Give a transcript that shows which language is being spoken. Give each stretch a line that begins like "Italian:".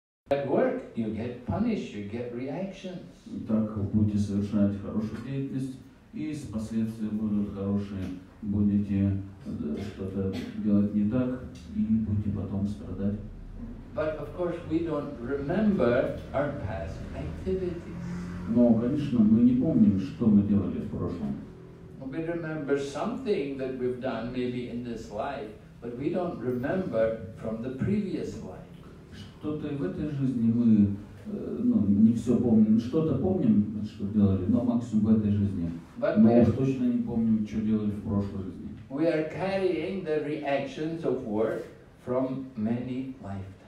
English: At work, you get punished, you get reactions.
Russian: Итак, вы будете совершать хорошую деятельность, и с последствиями будут хорошие. Будете что-то делать не так, и будете потом страдать.
English: But of course, we don't remember our past activities.
Russian: Но, конечно, мы не помним, что мы делали в прошлом.
English: We remember something that we've done maybe in this life, but we don't remember from the previous life.
Russian: Что-то в этой жизни мы, ну, не все помним, что-то помним, что делали, но максимум в этой жизни.
English: But
Russian: мы
English: are,
Russian: уж точно не помним, что делали в прошлой жизни.
English: We are carrying the reactions of work from many lifetimes.